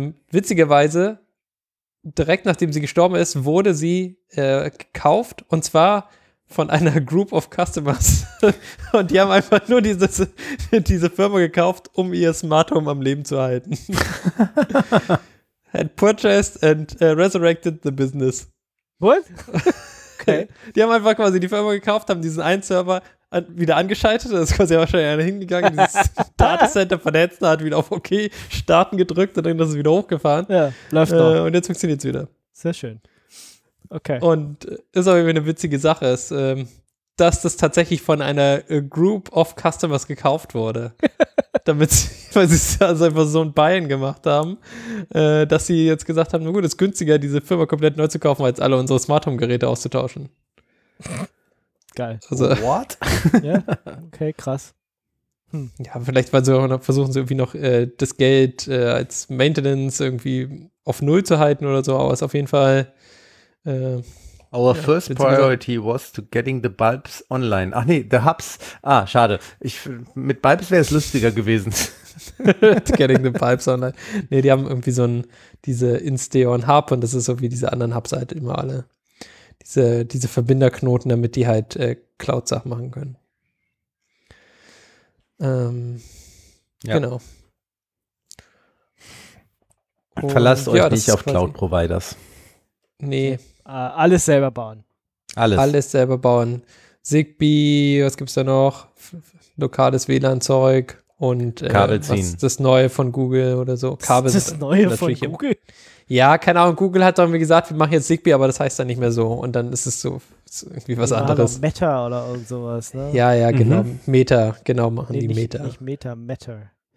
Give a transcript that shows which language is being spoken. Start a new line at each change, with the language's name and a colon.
German: Witzigerweise, direkt nachdem sie gestorben ist, wurde sie gekauft, und zwar von einer
English: Group of Customers.
German: Und die haben einfach nur diese Firma gekauft, um ihr Smart Home am Leben zu halten.
English: Had purchased and resurrected the business. What? Okay.
German: Die haben einfach quasi die Firma gekauft, haben diesen einen Server wieder angeschaltet, da ist quasi wahrscheinlich einer hingegangen, dieses Datacenter vernetzt, hat wieder auf OK starten gedrückt und dann ist es wieder hochgefahren. Ja, läuft noch. Und jetzt funktioniert es wieder. Sehr schön. Okay. Und ist aber eine witzige Sache, ist, dass das tatsächlich von einer
English: Group of Customers
German: gekauft wurde, damit sie, weil sie es also einfach so ein Buy-in gemacht haben, dass sie jetzt gesagt haben, na gut, ist günstiger, diese Firma komplett neu zu kaufen, als alle unsere Smart-Home-Geräte auszutauschen. Geil.
English: Also, what?
German: Ja, okay, krass. Ja, vielleicht weil sie auch noch versuchen sie irgendwie noch das Geld als Maintenance irgendwie auf Null zu halten oder so, aber es ist auf jeden Fall
English: Our first priority was to getting the bulbs online.
German: Ach nee,
English: the hubs.
German: Ah, schade. Mit bulbs wäre es lustiger gewesen.
English: To getting the bulbs online.
German: Nee, die haben irgendwie so diese InStation Hub und das ist so wie diese anderen Hubs halt immer alle. Diese Verbinderknoten, damit die halt Cloud-Sachen machen können. Ja. Genau. Verlasst euch nicht auf Cloud-Providers. Nee. Alles selber bauen. Alles selber bauen. Zigbee, was gibt's da noch? Lokales WLAN-Zeug und Kabel ziehen. Das Neue von Google oder so. Kabel das Neue von Google? Ja, keine Ahnung, Google hat dann gesagt, wir machen jetzt Zigbee, aber das heißt dann nicht mehr so. Und dann ist es so ist irgendwie was anderes. Also Meta oder irgend sowas, ne? Ja, genau. Mhm. Meta, genau, machen nee, die nicht, Meta. Nicht Meta, Matter.